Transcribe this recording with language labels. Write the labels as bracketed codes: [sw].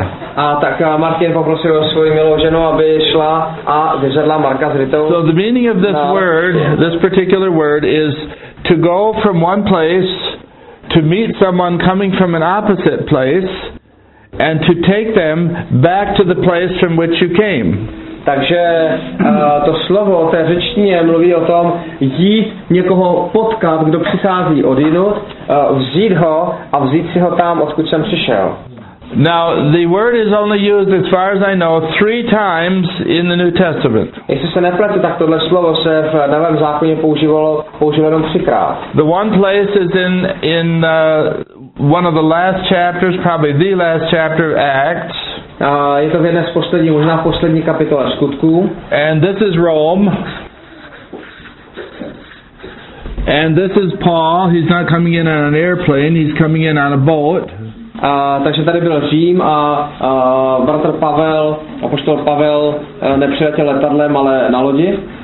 [cs] A tak Martin poprosil svou milou ženu, aby šla a vyzvedla Marka s Ritou. [en] So the meaning of this word, this particular word, is to go from one place to meet someone coming from an opposite place and to take them back to the place from which you came. [cs] Takže to slovo té řečtině mluví o tom jít někoho potkat, kdo přichází odjinud, vzít ho a vzít si ho tam, odkud jsem přišel. [en] Now, the word is only used, as far as I know, 3 times in the New Testament. [cs] Jestli se nepletu, tak tohle slovo se v Novém zákoně používalo jenom 3x. [en] The one place is in one of the last chapters, probably the last chapter of Acts. [cs] Je to v jedné z posledních, možná v poslední kapitole skutků. [en] And this is Rome. And this is Paul. He's not coming in on an airplane, he's coming in on a boat. [cs] Takže tady byl Řím a bratr Pavel, apoštol Pavel, nepřiletěl letadlem, ale na lodi.